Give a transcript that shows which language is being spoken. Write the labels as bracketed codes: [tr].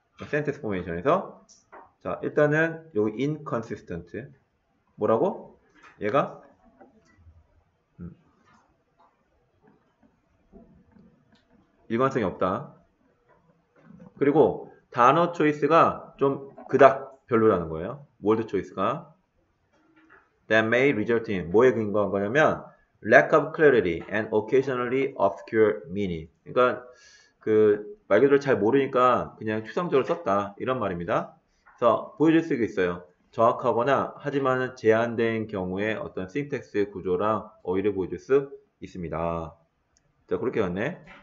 [ko] Sentence formation에서. 자, 일단은 여기 inconsistent. 뭐라고? 얘가? 일관성이 없다. 그리고 단어 초이스가 좀 그닥 별로라는 거예요. 월드 초이스가. [en] That may result in [ko] 뭐에 근거한 거냐면 [en] lack of clarity and occasionally obscure meaning. [ko] 그러니까 그말 그대로 잘 모르니까 그냥 추상적으로 썼다 이런 말입니다. 그래서 보여줄 수 있어요. 정확하거나 하지만 제한된 경우에 어떤 syntax의 구조랑 어휘를 보여줄 수 있습니다. 자, 그렇게 왔네.